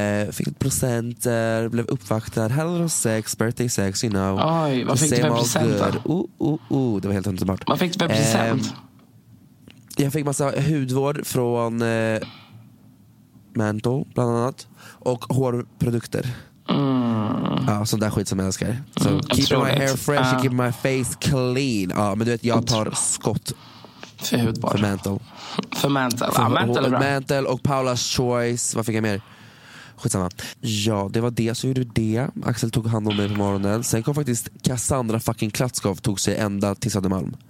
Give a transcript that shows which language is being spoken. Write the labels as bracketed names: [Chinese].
[Swedish] Fick lite presenter, blev uppvaktad, hellre och sex, [English] birthday sex, you know. [Swedish] Oj, vad fick du för presenter? Det var helt underbart. Vad fick du för present? Jag fick massa hudvård från Mental bland annat. Och hårprodukter. Ja, sån där skit som jag älskar. [English] So, keep my hair fresh and keep my face clean. [Swedish] Ja, men du vet, jag tar skott för hudvård. För Mental. För Mental. För Mental, Mental och Paula's Choice. Vad fick jag mer? Skitsamma. Ja, det var det. Så gjorde du det. Axel tog hand om mig på morgonen. Sen kom faktiskt Cassandra fucking Klatskov, tog sig ända till Södermalm.